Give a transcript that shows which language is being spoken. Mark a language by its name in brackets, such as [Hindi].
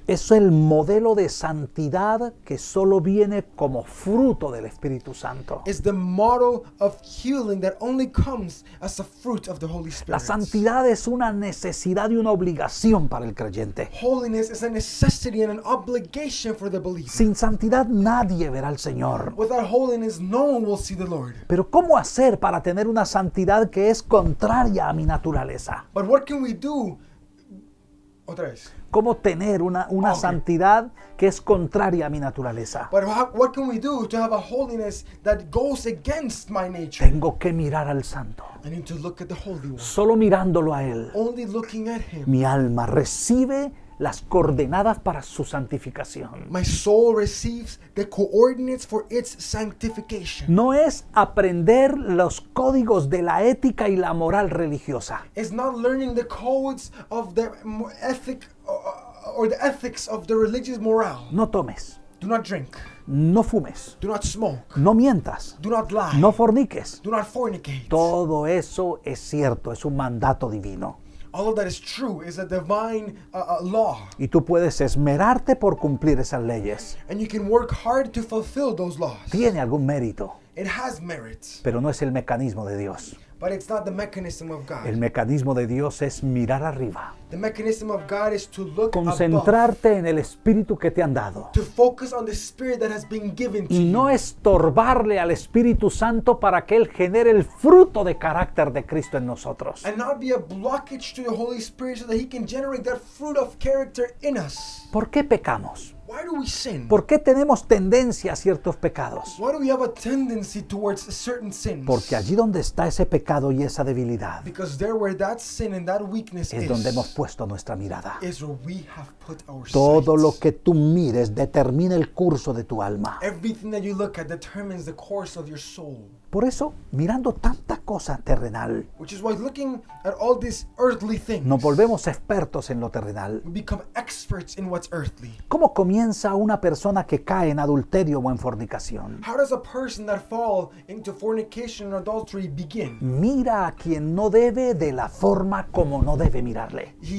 [Spanish] Es el modelo de santidad que solo viene como fruto del Espíritu Santo. [English] It's the model of healing that only comes as a fruit of the Holy Spirit. [Spanish] La santidad es una necesidad y una obligación para el creyente. [English] Holiness is a necessity and an obligation for the believer. [Spanish] Sin santidad nadie verá al Señor. [English] Without holiness, no one will see the Lord. [Spanish] Pero ¿cómo hacer para tener una santidad que es contraria a mi naturaleza? [English] But what can we do? [Spanish] Otra vez. ¿Cómo tener una okay. santidad que es contraria a mi naturaleza? [English] But what can we do to have a holiness that goes against my nature? [Spanish] Tengo que mirar al santo. [English] I need to look at the Holy One. [Spanish] Solo mirándolo a él. [English] Only looking at him. [Spanish] Mi alma recibe las coordenadas para su santificación. [English] My soul receives the coordinates for its sanctification. [Spanish] No es aprender los códigos de la ética y la moral religiosa. [English] It's not learning the codes of the ethic or the ethics of the religious morale. [Spanish] No tomes. [English] Do not drink. [Spanish] No fumes. [English] Do not smoke. [Spanish] No mientas. [English] Do not lie. [Spanish] No forniques. [English] Do not fornicate. [Spanish] Todo eso es cierto, es un mandato divino. [English] All of that is true, is a divine law. [Spanish] Y tú puedes esmerarte por cumplir esas leyes. [English] And you can work hard to fulfill those laws. [Spanish] Tiene algún mérito. [English] It has merits. [Spanish] Pero no es el mecanismo de Dios. [English] But it's not the mechanism of God. [Spanish] El mecanismo de Dios es mirar arriba. [English] The mechanism of God is to look [Spanish] concentrarte [English] above, [Spanish] en el espíritu que te han dado. [English] To focus on the spirit that has been given to [Spanish] y no estorbarle al Espíritu Santo para que él genere el fruto de carácter de Cristo en nosotros. [English] And not be a blockage to the Holy Spirit so that he can generate that fruit of character in us. [Spanish] ¿Por qué pecamos? [English] Why do we sin? [Spanish] ¿Por qué tenemos tendencia a ciertos pecados? [English] Why do we have a tendency towards certain sins? [Spanish] Porque allí donde está ese pecado y esa debilidad. [English] Because there where that sin and that weakness [Spanish] es donde hemos puesto nuestra mirada. [English] Is where we have put our [Spanish] Todo [English] sight. [Spanish] Lo que tú mires determina el curso de tu alma. [English] Everything that you look at determines the course of your soul. [Spanish] Por eso, mirando tanta cosa terrenal, [English] which is why looking at all these earthly things, [Spanish] nos volvemos expertos en lo terrenal. [English] We become experts in what's earthly. [Spanish] ¿Cómo comienza una persona que cae en adulterio o en fornicación? [English] How does a person that falls into fornication and adultery begin? [Spanish] Mira a quien no debe de la forma como no debe mirarle.